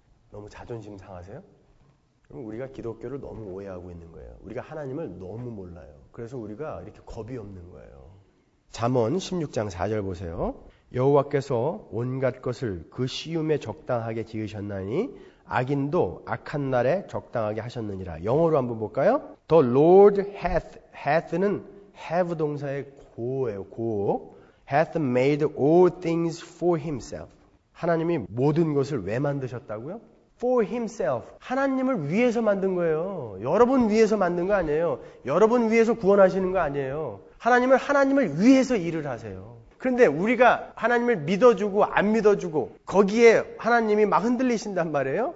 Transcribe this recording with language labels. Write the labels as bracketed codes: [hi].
[ko] 너무 자존심 상하세요? 그럼 우리가 기독교를 너무 오해하고 있는 거예요. 우리가 하나님을 너무 몰라요. 그래서 우리가 이렇게 겁이 없는 거예요. 잠언 16장 4절 보세요. 여호와께서 온갖 것을 그 쉬움에 적당하게 지으셨나니 악인도 악한 날에 적당하게 하셨느니라. 영어로 한번 볼까요? [en] The Lord hath, hath는 have [ko] 동사의 고예요. 고. [en] Hath made all things for himself. [ko] 하나님이 모든 것을 왜 만드셨다고요? [en] For himself. [ko] 하나님을 위해서 만든 거예요. 여러분 위해서 만든 거 아니에요. 여러분 위해서 구원하시는 거 아니에요. 하나님은 하나님을 위해서 일을 하세요. 그런데 우리가 하나님을 믿어주고 안 믿어주고 거기에 하나님이 막 흔들리신단 말이에요.